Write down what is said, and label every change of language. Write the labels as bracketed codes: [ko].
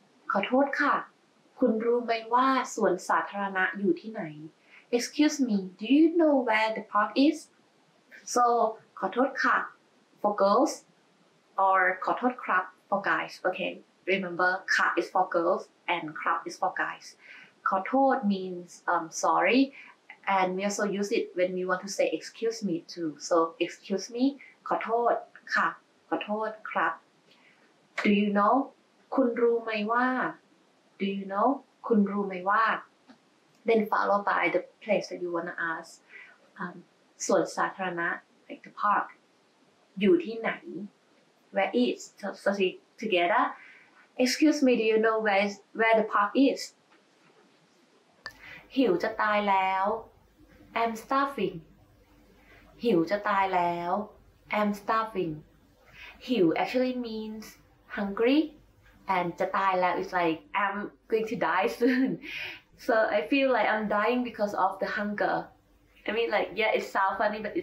[th] ขอโทษค่ะคุณรู้ไหมว่าสวนสาธารณะอยู่ที่ไหน [en] Excuse me Do you know where the park is So ขอโทษค่ะFor girls, or ขอโทษครับ for guys. Okay, remember, ค่ะ is for girls and ครับ is for guys. ขอโทษ means sorry, and we also use it when we want to say excuse me too. So excuse me, [th] ขอโทษค่ะขอโทษครับ. [en] Do you know? [th] คุณรู้ไหมว่า? Do you know? คุณรู้ไหมว่า? [en] Then followed by the place that you want to ask. ส่วนสาธารณะ like the park. [th] อยู่ที่ไหน [en] Where is so see together Excuse me Do you know where the park is [th] หิวจะตายแล้ว [en] I'm starving หิวจะตายแล้ว I'm starving หิว actually means hungry and จะตายแล้ว is like I'm going to die soon so I feel like I'm dying because of the hunger I mean like yeah it sounds funny